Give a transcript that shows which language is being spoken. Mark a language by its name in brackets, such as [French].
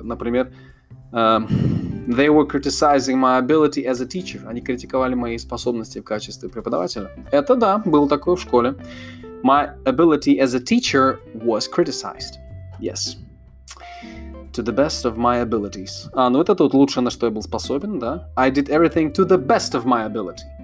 [Russian] Например, [English] they were criticizing my ability as a teacher. [Russian] Они критиковали мои способности в качестве преподавателя. Это да, было такое в школе. [English] My ability as a teacher was criticized. Yes. To the best of my abilities. [Russian] Это тут лучшее, на что я был способен, да. [English] I did everything to the best of my ability.